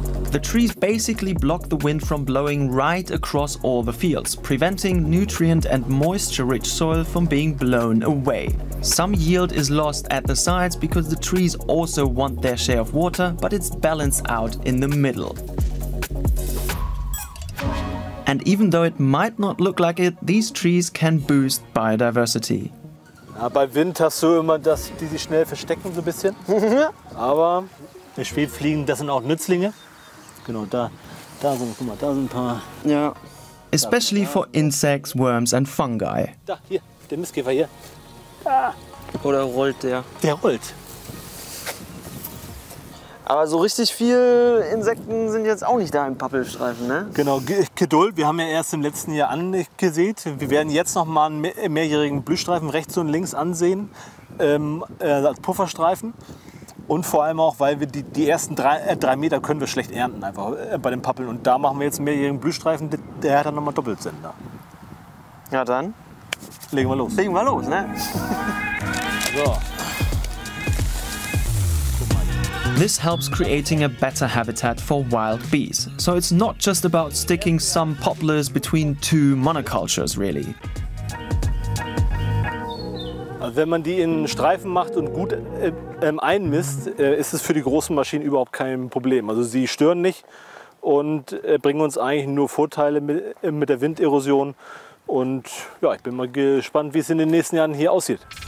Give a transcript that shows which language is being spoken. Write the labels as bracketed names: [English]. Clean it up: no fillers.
[English] The trees basically block the wind from blowing right across all the fields, preventing nutrient and moisture-rich soil from being blown away. Some yield is lost at the sides because the trees also want their share of water, but it's balanced out in the middle. And even though it might not look like it, these trees can boost biodiversity. [German] Ja, bei Wind hast du immer, dass die sich schnell verstecken so ein bisschen. Aber die Schwebfliegen, das sind auch Nützlinge. Genau, da sind, guck mal, da sind ein paar. Ja. [English] Especially for insects, worms and fungi. [German] Da, hier, der Mistkäfer hier. Da. Oder rollt der? Der rollt. Aber so richtig viel Insekten sind jetzt auch nicht da im Pappelstreifen, ne? Genau, Geduld. Wir haben ja erst im letzten Jahr angesät. Wir werden jetzt noch mal einen mehrjährigen Blühstreifen rechts und links ansehen, als Pufferstreifen. Und vor allem auch, weil wir die ersten drei Meter können wir schlecht ernten einfach bei den Pappeln. Und da machen wir jetzt einen mehrjährigen Blühstreifen, der hat dann noch mal Doppelsender. Ja, dann? Legen wir los. Legen wir los, ne? So. [English] This helps creating a better habitat for wild bees. So it's not just about sticking some poplars between two monocultures, really. [German] Wenn man die in Streifen macht und gut einmisst, ist es für die großen Maschinen überhaupt kein Problem. Also sie stören nicht und bringen uns eigentlich nur Vorteile mit der Winderosion. Und ja, ich bin mal gespannt, wie es in den nächsten Jahren hier aussieht.